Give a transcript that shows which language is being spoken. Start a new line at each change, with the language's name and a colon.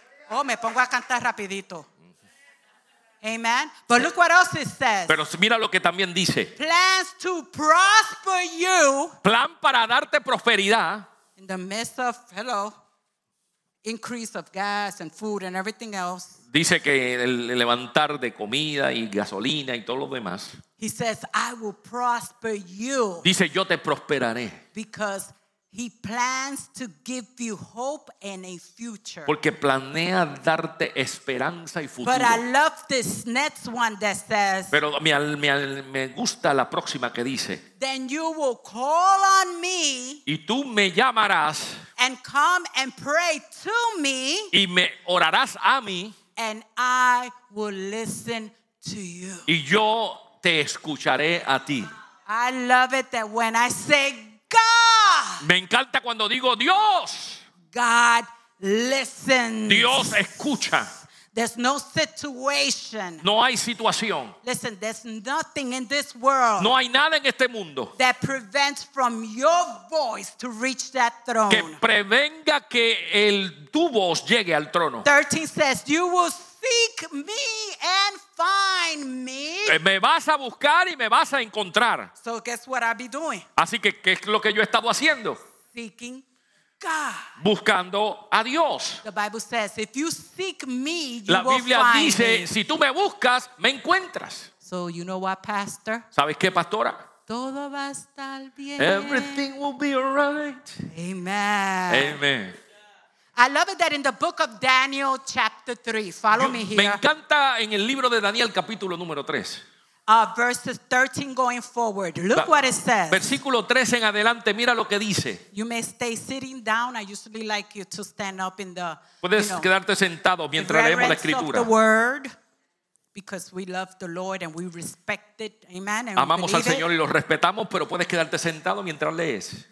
Spanish: Oh, me pongo a cantar rapidito. Amen.
English: But look what else it says.
Spanish: Pero mira lo que también dice.
English: Plans to prosper you.
Spanish: Plan para darte prosperidad.
English: In the midst of, hello, increase of gas and food and everything else.
Spanish: Dice que el levantar de comida y gasolina y todo lo demás.
English: He says, I will prosper you.
Spanish: Dice, yo te prosperaré.
English: Because he plans to give you hope and a future.
Spanish: Porque planea darte esperanza y futuro.
English: But I love this next one that says.
Spanish: Pero me gusta la próxima que dice.
English: Then you will call on me.
Spanish: Y tú me llamarás.
English: And come and pray to me.
Spanish: Y me orarás a mí.
English: And I will listen to you.
Spanish: Y yo te escucharé a ti.
English: I love it that when I say God.
Spanish: Me encanta cuando digo Dios.
English: God listens.
Spanish: Dios escucha.
English: There's no situation.
Spanish: No hay situación.
English: Listen, there's nothing in this world.
Spanish: No hay nada en este mundo.
English: That prevents from your voice to reach that throne.
Spanish: Que prevenga que tu voz llegue al trono.
English: 13 says, you will seek me and find me.
Spanish: Me vas a buscar y me vas a encontrar.
English: So guess what I'll be doing.
Spanish: Así que, ¿qué es lo que yo he estado haciendo?
English: Seeking God.
Spanish: Buscando a Dios.
English: The Bible says, if you seek me, you will find me.
Spanish: La Biblia dice, si tú me buscas, me encuentras.
English: So you know what, pastor?
Spanish: ¿Sabes qué, pastora? Todo va a estar bien.
English: Everything will be all right. Amen. Amen. I love it that in the book of Daniel chapter 3, follow me here.
Spanish: Me encanta en el libro de Daniel capítulo número 3.
English: Verses 13 going forward. Look what it says.
Spanish: Versículo 13 en adelante, mira lo que dice.
English: You may stay sitting down. I usually like you to stand up in the,
Spanish: puedes,
English: you know,
Spanish: quedarte sentado mientras leemos la escritura.
English: The word, because we love the Lord and we respect it. Amen. And
Spanish: amamos al Señor y lo respetamos, pero puedes quedarte sentado mientras lees.